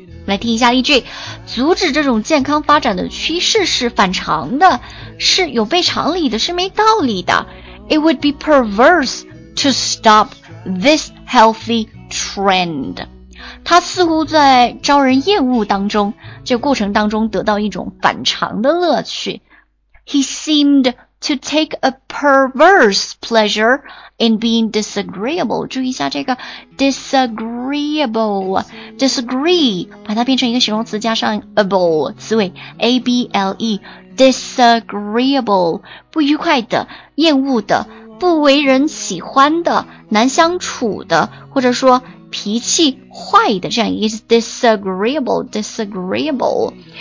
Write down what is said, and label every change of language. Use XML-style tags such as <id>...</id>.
<zh>来听一下例句，阻止这种健康发展的趋势是反常的，是有悖常理的，是没道理的。</zh> <en>It would be perverse to stop this healthy trend.</en> <zh>它似乎在招人厌恶当中，这过程当中得到一种反常的乐趣。</zh> <en>He seemed to take a perverse pleasure in being disagreeable.</en> <zh>注意一下这个 disagreeable, disagree, 把它变成一个形容词加上 able, 词尾 able, disagreeable, 不愉快的，厌恶的，不为人喜欢的，难相处的，或者说脾气坏的，这样一个 disagreeable, disagreeable.</zh>